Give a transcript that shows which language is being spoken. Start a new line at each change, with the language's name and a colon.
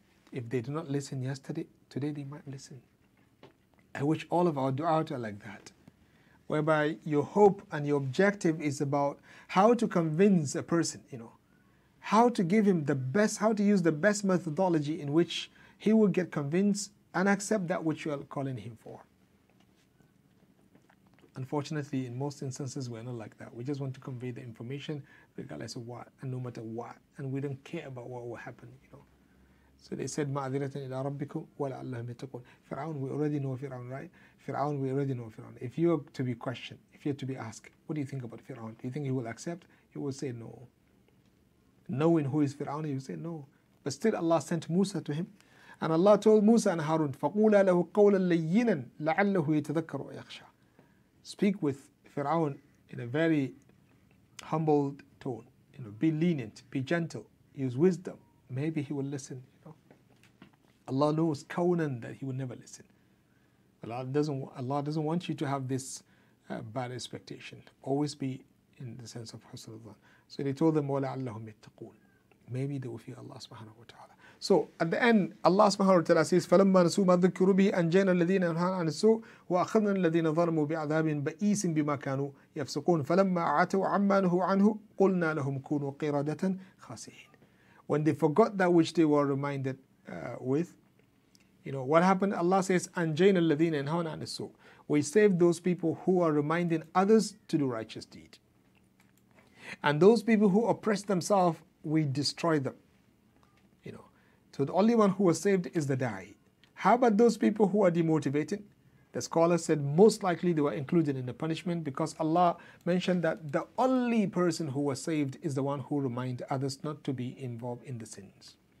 English: If they did not listen yesterday, today they might listen. I wish all of our du'as are like that, whereby your hope and your objective is about how to convince a person, you know, how to give him the best, how to use the best methodology in which he will get convinced and accept that which you are calling him for. Unfortunately, in most instances, we're not like that. We just want to convey the information regardless of what and no matter what. And we don't care about what will happen, you know. So they said,
Arabic: مَعَذِرَةً إِلَىٰ رَبِّكُمْ وَلَعَلَّهُمْ يَتَّقُونَ.
English: Fir'aun, we already know Fir'aun, right? Fir'aun, we already know Fir'aun. If you are to be questioned, if you are to be asked, what do you think about Fir'aun? Do you think he will accept? He will say no. Knowing who is Fir'aun, you say no. But still Allah sent Musa to him. And Allah told Musa and Harun,
Arabic: فَقُولَ لَهُ قَوْلًا لَيِّنًا لَعَلَّهُ يَتَذَكَّرُ وَيَخْشَى.
English: Speak with Fir'aun in a very humbled tone. You know, be lenient, be gentle, use wisdom. Maybe he will listen. You know, Allah knows kawnan that he will never listen. Allah doesn't want you to have this bad expectation. Always be in the sense of husnul dhan. So they told them,
Arabic: وَلَعَلَّهُمْ يَتَّقُونَ.
English: Maybe they will fear Allah subhanahu wa ta'ala. So at the end, Allah subhanahu wa ta'ala says,
Arabic: فَلَمَّا نَسُوا مَا ذُكِّرُوا بِهِ أَنْجَيْنَا الَّذِينَ نَهَانَ عَنِ السُّوءِ وَأَخَذْنَا الَّذِينَ ظَلَمُوا بِعَذَابٍ بَئِيسٍ بِمَا كَانُوا يَفْسُقُونَ فَلَمَّا عَتَوْا عَمَّا نُهُوا عَنْهُ قُلْنَا لَهُمْ كُونُوا قِرَدَةً خَاسِئِينَ.
English: When they forgot that which they were reminded with, you know, what happened? Allah says,
Arabic: أَنْجَيْنَا الَّذِينَ نَهَانَ عَنِ السُّوءِ.
English: We saved those people who are reminding others to do righteous deeds. And those people who oppress themselves, we destroy them. You know, so the only one who was saved is the da'i. How about those people who are demotivated? The scholar said most likely they were included in the punishment because Allah mentioned that the only person who was saved is the one who reminded others not to be involved in the sins.